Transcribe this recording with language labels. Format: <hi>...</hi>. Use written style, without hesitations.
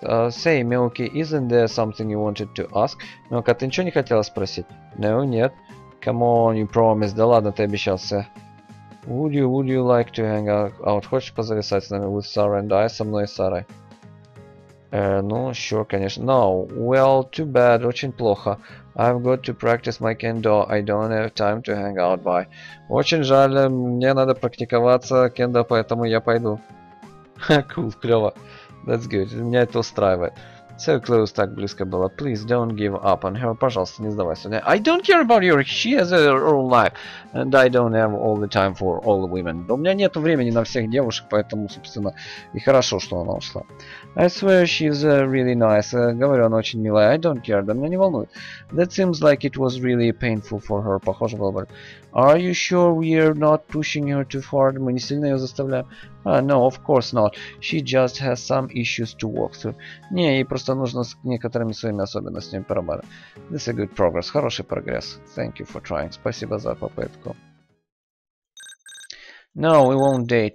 <en>Say, Мелки, isn't there something you wanted to ask?</en> <ru>Мелка, ты ничего не хотела спросить?</ru> <en>No,</en> <ru>нет.</ru> <en>Come on, you promised.</en> <ru>Да ладно, ты обещался.</ru> <en>Would you like to hang out?</en> <ru>Хочешь позависать с нами?</ru> <en>With Sarah and I,</en> <ru>со мной и Сарой. Ну,</ru> <en>sure,</en> <ru>конечно.</ru> <en>No, well, too bad,</en> <ru>очень плохо.</ru> <en>I've got to practice my kendo. I don't have time to hang out, bye.</en> <ru>Очень жаль, мне надо практиковаться кендо, поэтому я пойду. Ха,</ru> <en>cool,</en> <ru>клёво.</ru> <en>That's good,</en> <ru>меня это устраивает.</ru> <en>So close,</en> <ru>так близко было.</ru> <en>Please don't give up on her.</en> <ru>Пожалуйста, не сдавайся.</ru> <en>I don't care about your... She has her own life. And I don't have all the time for all the women.</en> <ru>Но у меня нет времени на всех девушек, поэтому, собственно, и хорошо, что она ушла.</ru> <en>I swear she's really nice.</en> <ru>Говорю, она очень милая.</ru> <en>I don't care.</en> <ru>Да меня не волнует.</ru> <en>That seems like it was really painful for her.</en> <ru>Похоже было бы.</ru> <en>Are you sure we're not pushing her too hard?</en> <ru>Мы не сильно ее заставляем?</ru> <en>No, of course not. She just has some issues to work through.</en> <ru>Не, ей просто нужно с некоторыми своими особенностями поработать.</ru> <en>This is a good progress.</en> <ru>Хороший прогресс.</ru> <en>Thank you for trying.</en> <ru>Спасибо за попытку.</ru> <en>No, we won't date.</en>